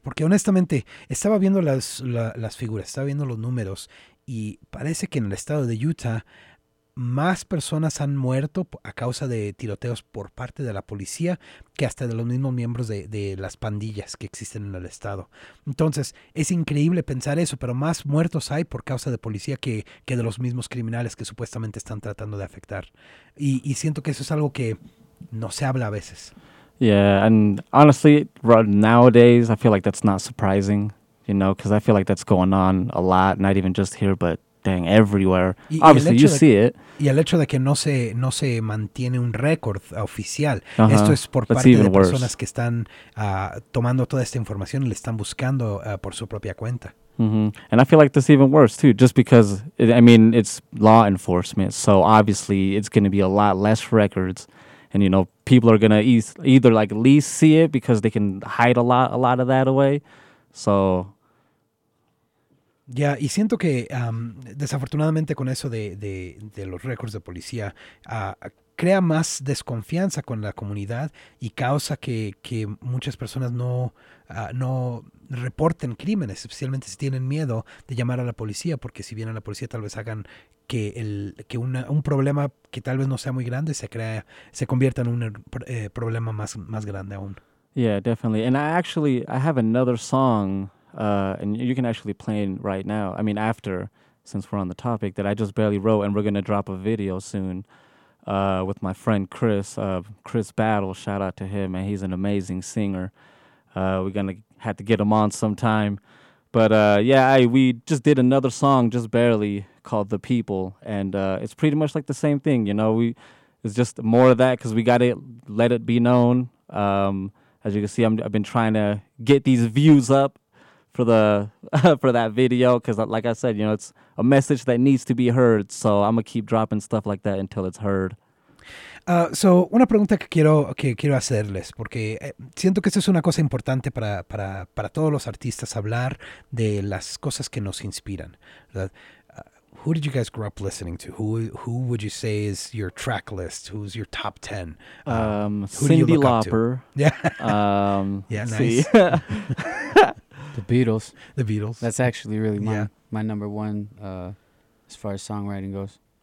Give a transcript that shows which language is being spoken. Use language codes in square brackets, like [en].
[es] Porque honestamente, estaba viendo las figuras, estaba viendo los números y parece que en el estado de Utah más personas han muerto a causa de tiroteos por parte de la policía que hasta de los mismos miembros de las pandillas que existen en el estado. Entonces, es increíble pensar eso, pero más muertos hay por causa de policía que de los mismos criminales que supuestamente están tratando de afectar. Y siento que eso es algo que no se habla a veces. [en] Yeah, and honestly, nowadays, I feel like that's not surprising, you know, because I feel like that's going on a lot, not even just here, but dang, everywhere. Obviously, you see it. [es] Y el hecho de que no se mantiene un récord oficial. Uh-huh. Esto es por [en] That's [es] parte de [en] worse. [es] Personas que están tomando toda esta información y le están buscando por su propia cuenta. Mm-hmm. [en] And I feel like this even worse, too, just because, it's law enforcement. So, obviously, it's going to be a lot less records. And, you know, people are going to either, like, least see it because they can hide a lot of that away. So... [es] Ya, yeah, y siento que desafortunadamente con eso de los récords de policía crea más desconfianza con la comunidad y causa que muchas personas no reporten crímenes, especialmente si tienen miedo de llamar a la policía, porque si vienen a la policía tal vez hagan que un problema que tal vez no sea muy grande se convierta en un problema más grande aún. [en] Yeah, definitely. And I have another song. And you can actually play it right now. I mean, after, since we're on the topic, that I just barely wrote, and we're going to drop a video soon with my friend Chris, Chris Battle. Shout out to him, and he's an amazing singer. We're going to have to get him on sometime. But we just did another song, just barely, called The People, and it's pretty much like the same thing, you know? It's just more of that, because we got to let it be known. As you can see, I've been trying to get these views up for that video, because like I said, you know, it's a message that needs to be heard, so I'm gonna keep dropping stuff like that until it's heard. [es] So una pregunta que quiero hacerles, porque siento que esto es una cosa importante para todos los artistas, hablar de las cosas que nos inspiran, ¿verdad? [en] Who did you guys grow up listening to? Who would you say is your track list? Who's your top 10? Cyndi Lauper. Yeah. Yeah, nice. See. The Beatles. That's actually really my number one as far as songwriting goes.